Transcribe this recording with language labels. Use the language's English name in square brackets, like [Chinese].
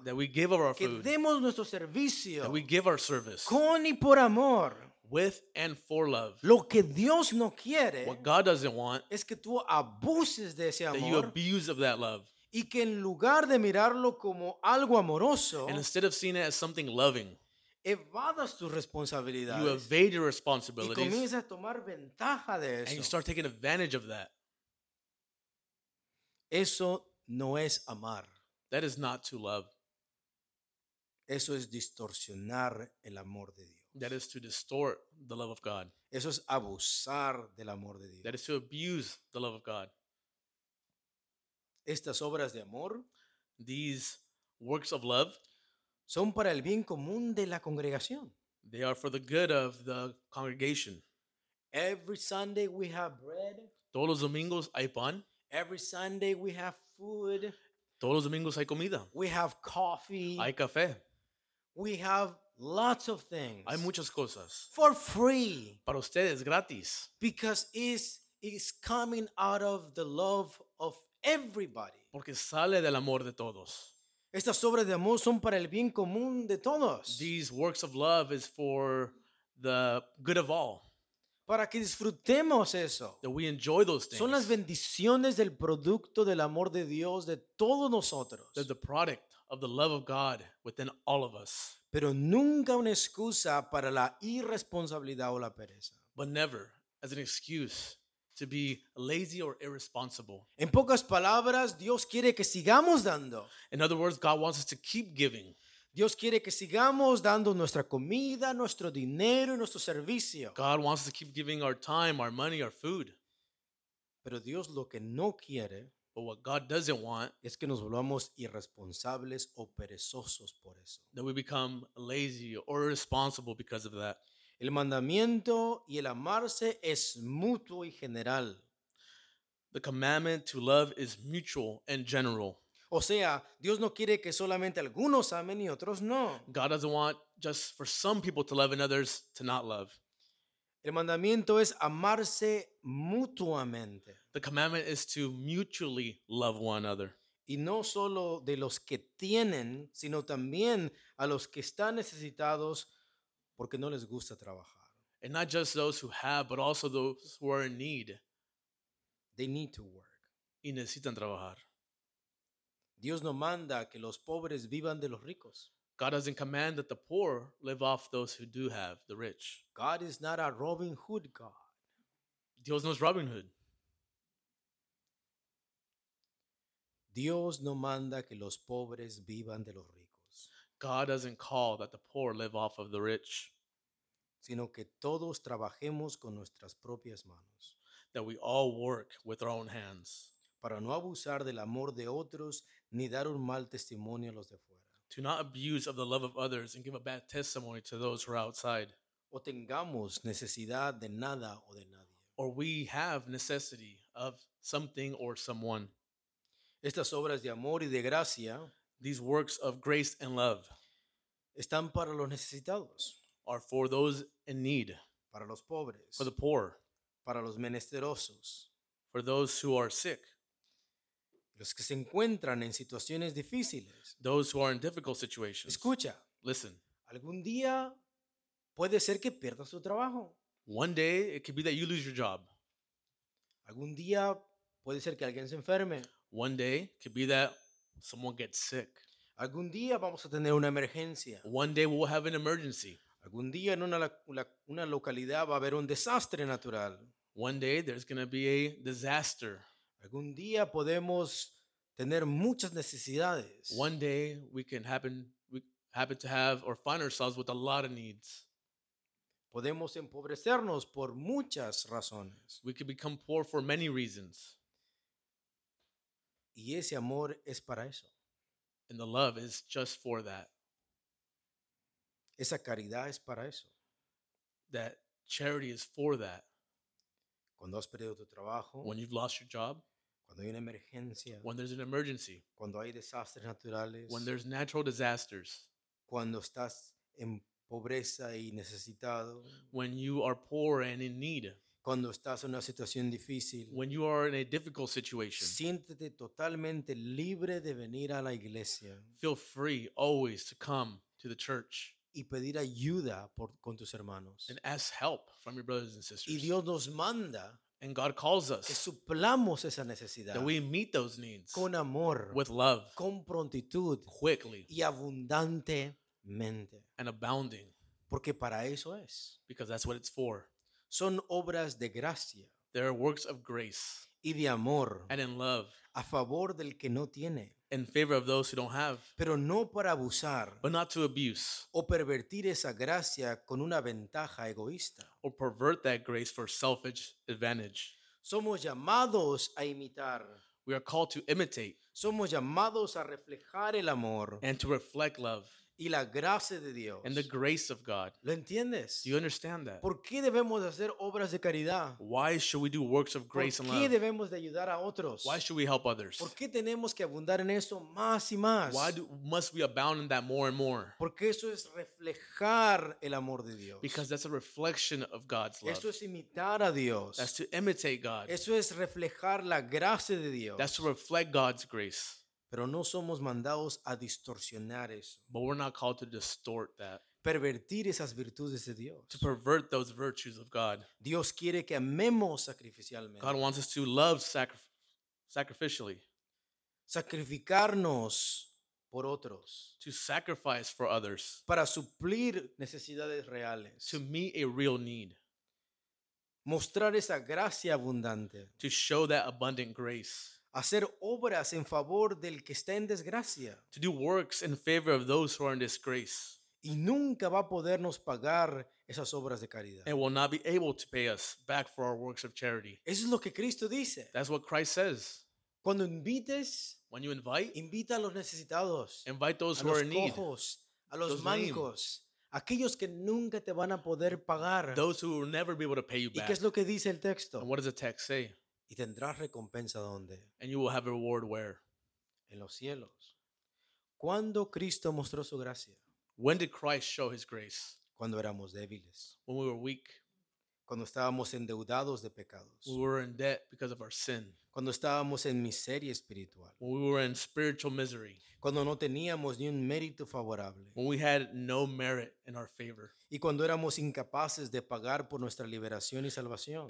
[English] That we give of our [Spanish] que [English] food. [Spanish] Que demos nuestro servicio. [English] That we give our service. [Spanish] Con y por amor. [English] With and for love. [Spanish] Lo que Dios no quiere. [English] What God doesn't want. [Spanish] Es que tú abuses de ese amor. [English] That you abuse of that love. [Spanish] Y que en lugar de mirarlo como algo amoroso. [English] And instead of seeing it as something loving. [Spanish] Evadas tus responsabilidades. [English] You evade your responsibilities. [Spanish] Y comienzas a tomar ventaja de eso. [English] And you start taking advantage of that. [Spanish] Eso no es amar. [English] That is not to love. [Spanish] Eso es distorsionar el amor de Dios. [English] That is to distort the love of God. [Spanish] Eso es abusar del amor de Dios. [English] That is to abuse the love of God. [Spanish] Estas obras de amor. [English] These works of love. [Spanish] Son para el bien común de la congregación. [English] They are for the good of the congregation. Every Sunday we have bread. [Spanish] Todos los domingos hay pan. [English] Every Sunday we have food. [Spanish] Todos los domingos hay comida. [English] We have coffee. [Spanish] Hay café. [English] We have lots of things. [Spanish] Hay muchas cosas. [English] For free. [Spanish] Para ustedes, gratis. [English] Because it's coming out of the love of everybody. [Spanish] Porque sale del amor de todos. Estas obras de amor son para el bien común de todos. [English] These works of love is for the good of all. [Spanish] Para que disfrutemos eso. [English] That we enjoy those things. [Spanish] Son las bendiciones del producto del amor de Dios de todos nosotros. [English] They're the product of the love of God within all of us. [Spanish] Pero nunca una excusa para la irresponsabilidad o la pereza. [English] But never as an excuse to be lazy or irresponsible. [Spanish] En pocas palabras, Dios quiere que sigamos dando. [English] In other words, God wants us to keep giving. [Spanish] Dios quiere que sigamos dando nuestra comida, nuestro dinero y nuestro servicio. [English] God wants us to keep giving our time, our money, our food. [Spanish] Pero Dios lo que no quiere, [English] but what God doesn't want, [Spanish] es que nos volvamos irresponsables o perezosos por eso. [English] That we become lazy or irresponsible because of that. [Spanish] El mandamiento y el amarse es mutuo y general. [English] The commandment to love is mutual and general. [Spanish] O sea, Dios no quiere que solamente algunos amen y otros no. [English] God doesn't want just for some people to love and others to not love. [Spanish] El mandamiento es amarse mutuamente. [English] The commandment is to mutually love one another. [Spanish] Y no solo de los que tienen, sino también a los que están necesitados. Porque no les gusta trabajar. [English] And not just those who have, but also those who are in need. They need to work. [Spanish] Y necesitan trabajar. Dios no manda que los pobres vivan de los ricos. [English] God doesn't command that the poor live off those who do have, the rich. God is not a Robin Hood God. [Spanish] Dios no es Robin Hood. Dios no manda que los pobres vivan de los ricos. [English] God doesn't call that the poor live off of the rich. [Spanish] Sino que todos trabajemos con nuestras propias manos. [English] That we all work with our own hands. [Spanish] Para no abusar del amor de otros ni dar un mal testimonio a los de fuera. [English] To not abuse of the love of others and give a bad testimony to those who are outside. [Spanish] O tengamos necesidad de nada o de nadie. [English] Or we have necessity of something or someone. [Spanish] Estas obras de amor y de gracia, [English] these works of grace and love, [Spanish] están para los necesitados, [English] are for those in need, [Spanish] para los pobres, [English] for the poor, [Spanish] para los menesterosos, [English] for those who are sick, [Spanish] los que se encuentran en situaciones difíciles, [English] those who are in difficult situations. [Spanish] Escucha, [English] listen. [Spanish] Algún día puede ser que pierdas tu trabajo. [English] One day it could be that you lose your job. [Spanish] Algún día puede ser que alguien se enferme. [English] One day could be that someone gets sick. [Spanish] Algún día vamos a tener una emergencia. [English] One day we'll have an emergency. [Spanish] Algún día en una localidad va a haber un desastre natural. [English] One day there's going to be a disaster. [Spanish] Algún día podemos tener muchas necesidades. [English] One day we can happen to have or find ourselves with a lot of needs. [Spanish] Podemos empobrecernos por muchas razones. [English] We could become poor for many reasons. [Spanish] Y ese amor es para eso. [English] And the love is just for that. [Spanish] Esa caridad es para eso. [English] That charity is for that. [Spanish] Cuando has perdido tu trabajo. [English] When you've lost your job. [Spanish] Cuando hay una emergencia. [English] When there's an emergency. [Spanish] Cuando hay desastres naturales. [English] When there's natural disasters. [Spanish] Cuando estás en pobreza y necesitado. [English] When you are poor and in need. [Spanish] Cuando estás en una situación difícil. [English] When you are in a difficult situation. [Spanish] Siéntete totalmente libre de venir a la iglesia. [English] Feel free always to come to the church. [Spanish] Y pedir ayuda con tus hermanos. [English] And ask help from your brothers and sisters. [Spanish] Y Dios nos manda. [English] And God calls us. [Spanish] Que suplamos esa necesidad. [English] That we meet those needs. [Spanish] Con amor. [English] With love. [Spanish] Con prontitud. [English] Quickly. [Spanish] Y abundantemente. [English] And abounding. [Spanish] Porque para eso es. [English] Because that's what it's for. [Spanish] Son obras de gracia. [English] There are works of grace. [Spanish] Y de amor. [English] And in love. [Spanish] A favor del que no tiene. [English] In favor of those who don't have. [Spanish] Pero no para abusar. [English] But not to abuse. [Spanish] O pervertir esa gracia con una ventaja egoísta. [English] Or pervert that grace for selfish advantage. [Spanish] Somos llamados a imitar. [English] We are called to imitate. [Spanish] Somos llamados a reflejar el amor. [English] And to reflect love. [Spanish] Y la gracia de Dios. [English] And the grace of God. [Spanish] ¿Lo entiendes? [English] Do you understand that? [Spanish] ¿Por qué debemos hacer obras de caridad? [English] Why should we do works of grace and love? [Spanish] ¿Por qué debemos de ayudar a otros? [English] Why should we help others? [Spanish] ¿Por qué tenemos que abundar en eso más y más? [English] Why must we abound in that more and more? [Spanish] Porque eso es reflejar el amor de Dios. [English] Because that's a reflection of God's love. [Spanish] Eso es imitar a Dios. [English] That's to imitate God. [Spanish] Eso es reflejar la gracia de Dios. [English] That's to reflect God's grace. [Spanish] Pero no somos mandados a distorsionar eso. [English] But we're not called to distort that. [Spanish] Pervertir esas virtudes de Dios. [English] To pervert those virtues of God. [Spanish] Dios quiere que amemos sacrificialmente. [English] God wants us to love sacrificially. [Spanish] Sacrificarnos por otros. [English] To sacrifice for others. [Spanish] Para suplir necesidades reales. [English] To meet a real need. [Spanish] Mostrar esa gracia abundante. [English] To show that abundant grace. [Spanish] Hacer obras en favor del que está en desgracia. [English] To do works in favor of those who are in disgrace. [Spanish] Y nunca va a podernos pagar esas obras de caridad. [English] And will not be able to pay us back for our works of charity. [Spanish] Eso es lo que Cristo dice. [English] That's what Christ says. [Spanish] Cuando invites. [English] When you invite. [Spanish] Invita a los necesitados. [English] Invite those who are in need. [Spanish] A los cojos. A los mancos. Aquellos que nunca te van a poder pagar. [English] Those who will never be able to pay you back. [Spanish] ¿Y qué es lo que dice el texto? [English] And what does the text say? [Spanish] Y tendrás recompensa donde. [English] And you will have a reward where? [Spanish] En los cielos. ¿Cuándo Cristo mostró su gracia? [English] When did Christ show his grace? [Spanish] Cuando éramos débiles. [English] When we were weak. [Spanish] Cuando estábamos endeudados de pecados. [English] We were in debt because of our sin. [Spanish] Cuando estábamos en miseria espiritual. [English] When we were in spiritual misery. [Spanish] Cuando no teníamos ni un mérito favorable. [English] When we had no merit in our favor. [Spanish] Y cuando éramos incapaces de pagar por nuestra liberación y salvación.